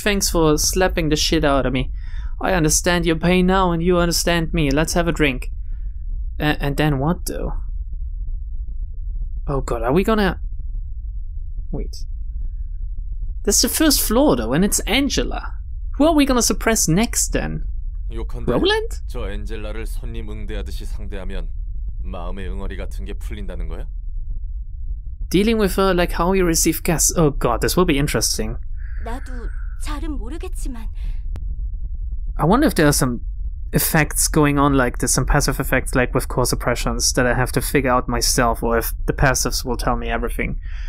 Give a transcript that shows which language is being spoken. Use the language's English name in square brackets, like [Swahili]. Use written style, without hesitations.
[English] Thanks for slapping the shit out of me. I understand your pain now and you understand me. Let's have a drink. And then what, though? Oh god, are we gonna... Wait. That's the first floor, though, and it's Angela. Who are we gonna suppress next, then? [Korean] 요컨대, [English] Roland? [Korean] 저 엔젤라를 손님 응대하듯이 상대하면 마음의 응어리 같은 게 풀린다는 거야? [English] Dealing with her like how you receive guests. Oh god, this will be interesting. [Korean] 나도 잘은 모르겠지만... [English] I wonder if there are some effects going on like this, some passive effects like with core suppressions that I have to figure out myself, or if the passives will tell me everything.